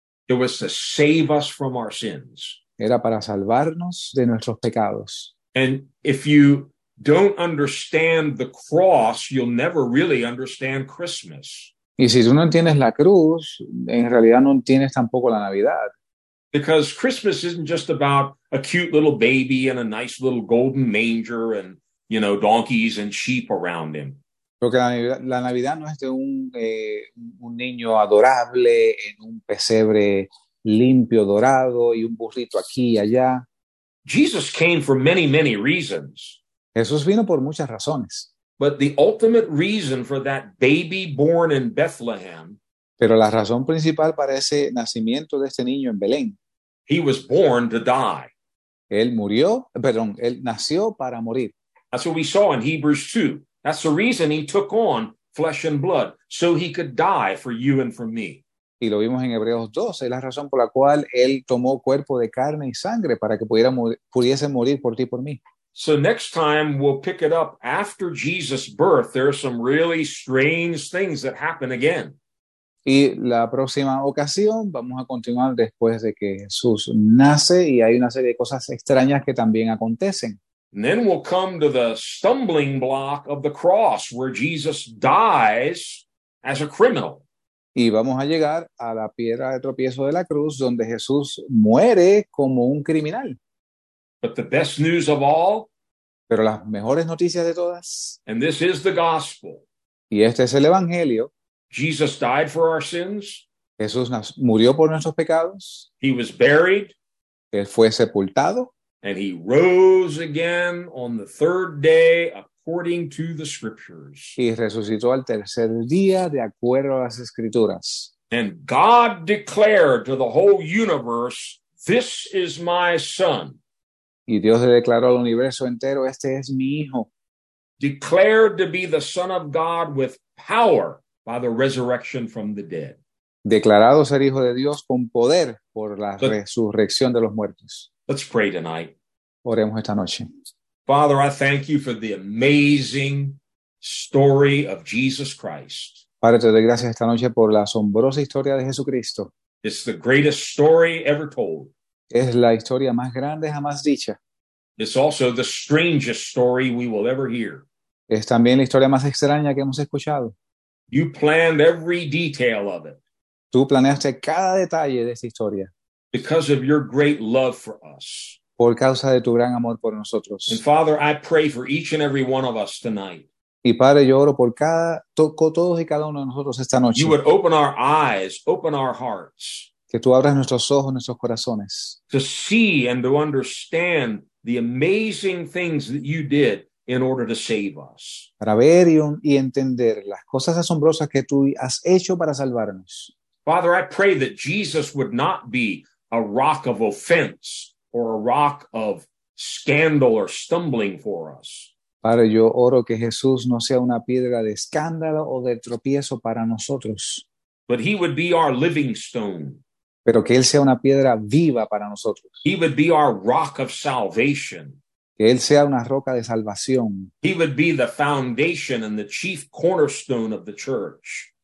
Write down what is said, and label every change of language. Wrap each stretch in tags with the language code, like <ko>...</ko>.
<en>It was to save us from our sins.</en> <es>Era para salvarnos de nuestros pecados.</es> <en>And if you don't understand the cross, you'll never really understand Christmas.</en> <es>Y si tú no entiendes la cruz, en realidad no entiendes tampoco la Navidad.</es> <en>Because Christmas isn't just about a cute little baby and a nice little golden manger and, you know, donkeys and sheep around him.</en> <es>Porque la Navidad no es de un niño adorable en un pesebre limpio, dorado y un burrito aquí y allá.</es> <en>Jesus came for many, many reasons.</en> <es>Jesús vino por muchas razones.</es> <en>But the ultimate reason for that baby born in Bethlehem.</en> <es>Pero la razón principal para ese nacimiento de este niño en Belén.</es> <en>He was born to die.</en> <es>Él nació para morir.</es> <en>That's what we saw in Hebrews 2. That's the reason he took on flesh and blood, so he could die for you and for me.</en> <es>Y lo vimos en Hebreos 12, la razón por la cual él tomó cuerpo de carne y sangre para que pudiese morir por ti y por mí.</es> <en>So next time we'll pick it up after Jesus' birth. There are some really strange things that happen again.</en> <es>Y la próxima ocasión vamos a continuar después de que Jesús nace y hay una serie de cosas extrañas que también acontecen.</es> <en>And then we'll come to the stumbling block of the cross where Jesus dies as a criminal.</en> <es>Y vamos a llegar a la piedra de tropiezo de la cruz donde Jesús muere como un criminal.</es> <en>But the best news of all,</en> <es>pero las mejores noticias de todas,</es> <en>and this is the gospel,</en> <es>y este es el evangelio,</es> <en>Jesus died for our sins,</en> <es>Jesús murió por nuestros pecados,</es> <en>he was buried,</en> <es>él fue sepultado,</es> <en>and he rose again on the third day according to the scriptures.</en> <es>Y resucitó al tercer día de acuerdo a las escrituras.</es> <en>And God declared to the whole universe, this is my son.</en> <es>Y Dios le declaró al universo entero, este es mi hijo.</es> <en>Declared to be the son of God with power by the resurrection from the dead.</en> <es>Declarado ser hijo de Dios con poder por la resurrección de los muertos.</es> <en>Let's pray tonight.</en> <es>Oremos esta noche.</es> <en>Father, I thank you for the amazing story of Jesus Christ.</en> <es>Padre, te doy gracias esta noche por la asombrosa historia de Jesucristo.</es> <en>It's the greatest story ever told.</en> <es>Es la historia más grande jamás dicha.</es> <en>It's also the strangest story we will ever hear.</en> <es>Es también la historia más extraña que hemos escuchado.</es> <en>You planned every detail of it.</en> <es>Tú planeaste cada detalle de esta historia.</es> <en>Because of your great love for us.</en> <es>Por causa de tu gran amor por nosotros.</es> <en>And Father, I pray for each and every one of us tonight.</en> <es>Y Padre, yo oro por todos y cada uno de nosotros esta noche.</es> <en>You would open our eyes, open our hearts.</en> <es>Que tú abras nuestros ojos, nuestros corazones.</es> <en>To see and to understand the amazing things that you did in order to save us.</en> <es>Para ver y entender las cosas asombrosas que tú has hecho para salvarnos.</es> <en>Father, I pray that Jesus would not be a rock of offense or a rock of scandal or stumbling for us.</en> <es>Padre, yo oro que Jesús no sea una piedra de escándalo o de tropiezo para nosotros.</es> <en>But he would be our living stone.</en> <es>Pero que él sea una piedra viva para nosotros.</es> <en>He would be our rock of salvation.</en> <es>Que él sea una roca de salvación.</es> <en>He would be the foundation and the chief cornerstone of the church.</en>